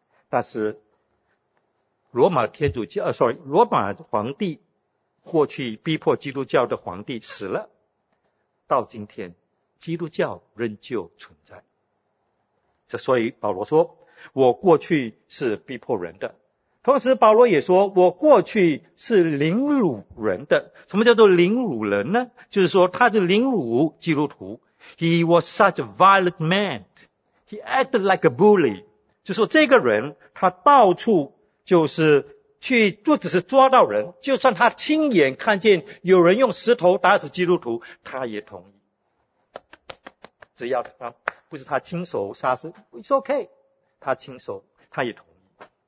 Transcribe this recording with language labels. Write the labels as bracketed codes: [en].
[zh] 但是罗马皇帝，过去逼迫基督教的皇帝死了，到今天基督教仍旧存在。这所以保罗说，我过去是逼迫人的，同时保罗也说，我过去是凌辱人的。什么叫做凌辱人呢？就是说他是凌辱基督徒。 [en] He was such a violent man. He acted like a bully. [zh] 就说这个人他到处就是去，不只是抓到人，就算他亲眼看见有人用石头打死基督徒，他也同意，只要他不是他亲手杀死， [en] It's OK， [zh] 他亲手他也同意。